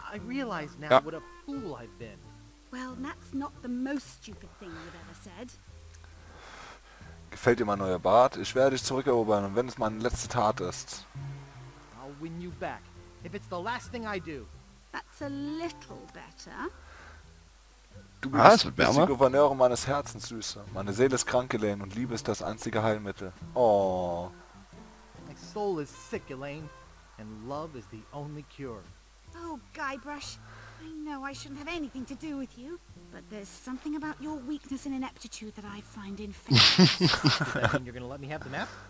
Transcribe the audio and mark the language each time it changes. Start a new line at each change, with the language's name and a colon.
English: I realize now what a fool I've been. Well, that's not the most stupid thing you've ever said.
German: Gefällt dir mein neuer Bart? Ich werde dich zurückerobern, wenn es meine letzte Tat ist.
English: I'll win you back, if it's the last thing I do. That's a little better.
German: Du bist die Gouverneurin meines Herzens, Süße. Meine Seele ist krank, Elaine, und Liebe ist das einzige Heilmittel. Oh.
English: My soul is sick, Elaine, and love is the only cure. Oh, Guybrush, I know I shouldn't have anything to do with you, but there's something about your weakness and ineptitude that I find infectious. Does that mean you're gonna let me have the map?